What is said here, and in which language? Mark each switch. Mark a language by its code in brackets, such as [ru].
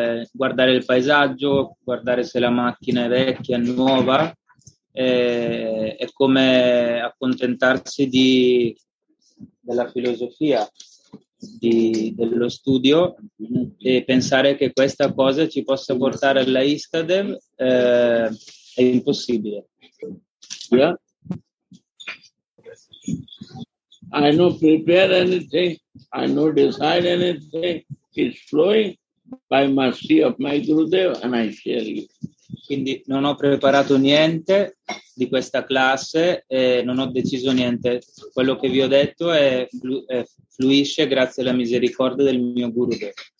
[it] guardare il paesaggio, guardare se la macchina è vecchia, nuova, è come accontentarsi della filosofia, dello studio e pensare che questa cosa ci possa portare alla istadev è impossibile. [en] Yeah. I no prepare anything, I no decide anything, it's flowing by mercy of my Gurudev and I share it. [it] Quindi non ho preparato niente di questa classe e non ho deciso niente. Quello che vi ho detto è fluisce grazie alla misericordia del mio Gurudev.